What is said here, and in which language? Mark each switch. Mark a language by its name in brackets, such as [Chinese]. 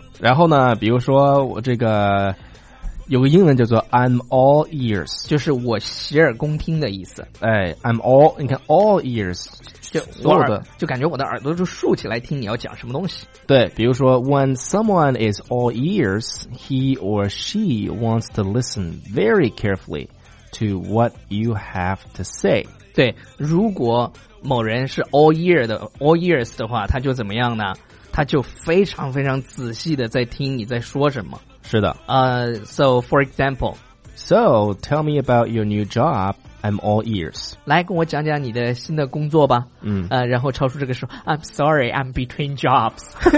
[Chinese] 然后呢，比如说我这个有个英文叫做 [English] I'm all ears， [Chinese] 就是我洗耳恭听的意思。哎 ， [English] I'm all， [Chinese] 你看 all ears，就所有的，就感觉我的耳朵就竖起来听你要讲什么东西。对，比如说 [English] When someone is all ears， he or she wants to listen very carefully。 To what you have to say. [Chinese] 对，如果某人是 all ears 的话，他就怎么样呢？他就非常非常仔细的在听你在说什么。是的。 [English] So for example. So tell me about your new job. I'm all ears. [Chinese] 来跟我讲讲你的新的工作吧。嗯。然后超叔这个时候 [English] I'm sorry, I'm between jobs.